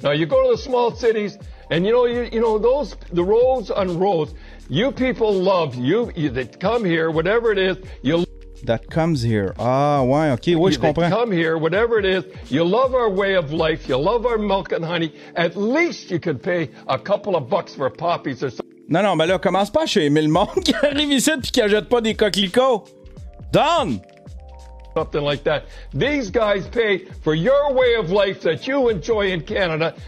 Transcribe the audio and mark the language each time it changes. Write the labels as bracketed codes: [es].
[en] Now, you go to the small cities, and you know those, the roads on roads, you people love you, you that come here, whatever it is, you... [fr] That comes here. Ah, ouais, ok, oui, [en] you [fr] je comprends. [en] You come here, whatever it is, you love our way of life, you love our milk and honey, at least you could pay a couple of bucks for poppies or something. [fr] Non, non, mais là, commence pas chez Emile Monde qui arrive ici puis qui achète pas des coquelicots. [en] Don! Something like that. These guys pay for your way of life that you enjoy in Canada.